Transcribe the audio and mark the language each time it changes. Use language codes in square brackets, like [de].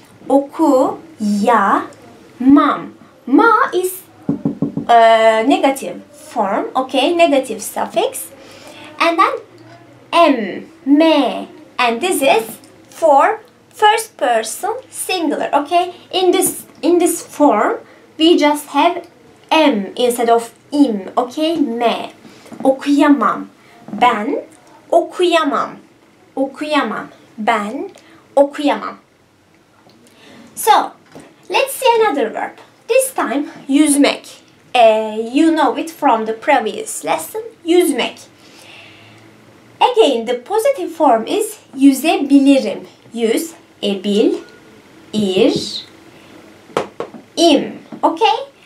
[tr] Oku ya mam. [en] Ma is negative form, okay, negative suffix. And then m, me, and this is for first person singular, okay? In this form, we just have m instead of im, okay, me. [tr] Okuyamam, ben okuyamam, okuyamam, ben okuyamam. [en] So, let's see another verb. This time, yüzmek. You know it from the previous lesson, yüzmek. Again, the positive form is yüzebilirim. [tr] Yüz, ebil, ir, im. Okay?